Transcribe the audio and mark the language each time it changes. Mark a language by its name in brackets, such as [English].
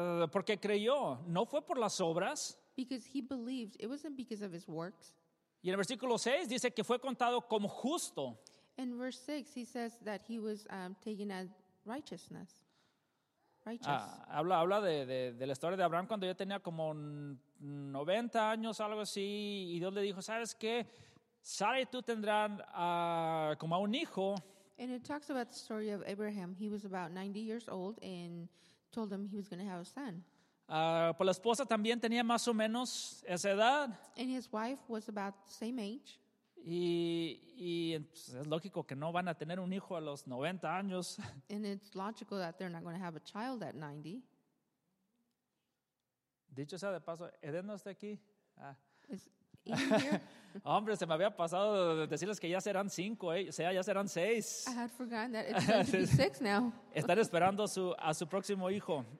[Spanish] Porque creyó, no fue por las obras. [English] Because he believed, it wasn't because of his works. [Spanish] Y en el versículo 6 dice que fue contado como justo. [English] In verse 6 he says that he was taken as righteousness. Righteous. [Spanish] Habla de la historia de Abraham cuando ya tenía como 90 años, algo así, y Dios le dijo, ¿sabes qué? Sara y tú tendrán como a un hijo. [English] And it talks about the story of Abraham. He was about 90 years old and told him he was going to have a son. [Spanish] Pues la esposa también tenía más o menos esa edad. [English] And his wife was about the same age. [Spanish] Y es lógico que no van a tener un hijo a los 90 años. [English] And it's logical that they're not going to have a child at 90. [Spanish] Dicho sea de paso, ¿Eden no está aquí? [English] Is Eden here? [Spanish] Hombre, se me había pasado de decirles que ya serán 5, o sea, ya serán 6. [English] I had forgotten that it's going to be 6 now. [Spanish] Están esperando a su próximo hijo.